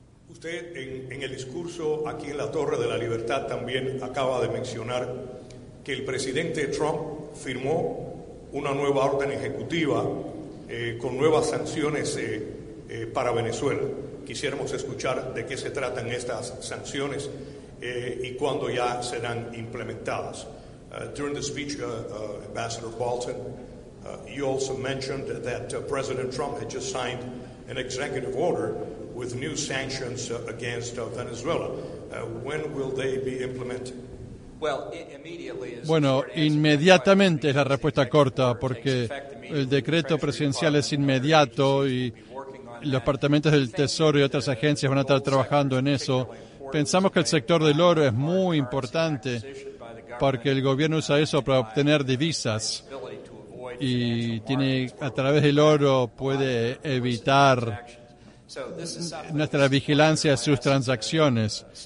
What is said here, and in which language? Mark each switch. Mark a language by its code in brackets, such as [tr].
[es] Usted en el discurso aquí en la Torre de la Libertad también acaba de mencionar que el presidente Trump firmó una nueva orden ejecutiva con nuevas sanciones para Venezuela. Quisiéramos escuchar de qué se tratan estas sanciones y cuándo ya serán implementadas. [en] During the speech, Ambassador Bolton, you also mentioned that President Trump had just signed an executive order with new sanctions against Venezuela. When will they be implemented? [es] Bueno, inmediatamente es la respuesta corta, porque el decreto presidencial es inmediato y los departamentos del Tesoro y otras agencias van a estar trabajando en eso. Pensamos que el sector del oro es muy importante, porque el gobierno usa eso para obtener divisas y tiene a través del oro puede evitar nuestra vigilancia de sus transacciones.